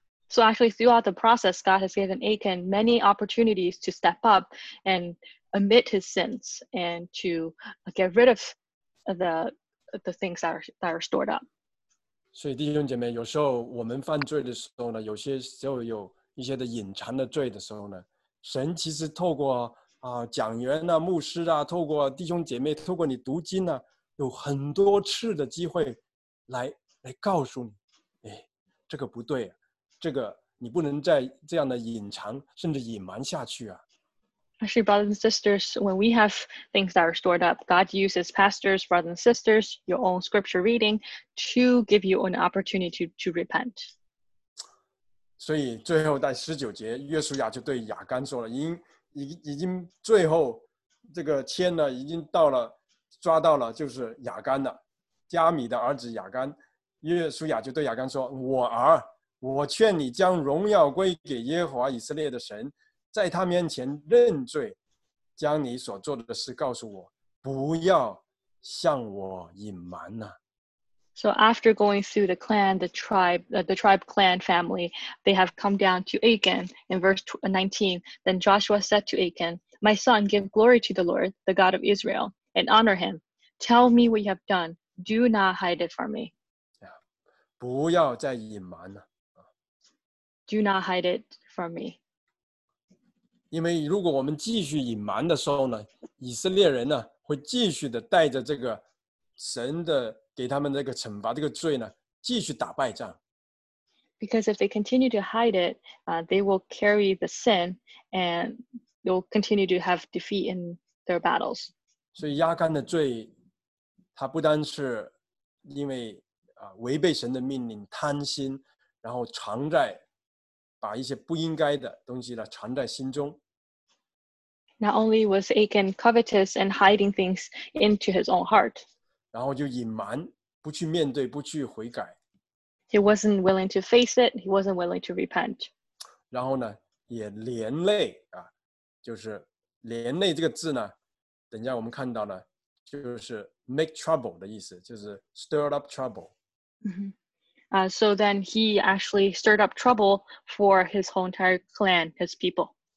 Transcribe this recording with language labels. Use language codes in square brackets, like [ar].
[en] So actually, throughout the process, God has given Achan many opportunities to step up and admit his sins and to get rid of the things that are stored up. [zh] 所以弟兄姐妹，有时候我们犯罪的时候呢，有些时候有一些的隐藏的罪的时候呢，神其实透过讲员啊、牧师啊，透过弟兄姐妹，透过你读经啊，有很多次的机会来告诉你，哎，这个不对，这个你不能再这样的隐藏甚至隐瞒下去啊。 [en] Actually, brothers and sisters, when we have things that are stored up, God uses pastors, brothers and sisters, your own scripture reading to give you an opportunity to repent. [zh] 所以最后在十九节，约书亚就对亚干说了，已经最后这个签呢，已经到了，抓到了，就是亚干了，加米的儿子亚干。约书亚就对亚干说，我儿，我劝你将荣耀归给耶和华以色列的神，在他面前认罪，将你所做的事告诉我，不要向我隐瞒呐。 [en] So after going through the clan, the tribe clan family, they have come down to Achan. In verse 19, then Joshua said to Achan, "My son, give glory to the Lord, the God of Israel, and honor him. Tell me what you have done. Do not hide it from me." [zh] Yeah, 不要再隐瞒了。 [en] Do not hide it from me. [zh] 因为如果我们继续隐瞒的时候呢，以色列人呢会继续的带着这个神的给他们这个惩罚这个罪呢，继续打败仗。 [en] Because if they continue to hide it, they will carry the sin and they'll continue to have defeat in their battles. [zh] 所以亚干的罪，他不单是因为违背神的命令，贪心，然后藏在把一些不应该的东西呢藏在心中。 [en] Not only was Achan covetous and hiding things into his own heart. [zh] 然后就隐瞒，不去面对，不去悔改。 [en] He wasn't willing to face it. He wasn't willing to repent. [zh] 然后呢，也连累啊，就是连累这个字呢，等一下我们看到呢，就是 [en] make trouble [zh] 的意思，就是 [en] stir up trouble. So then he actually stirred up trouble for his whole entire clan, his people.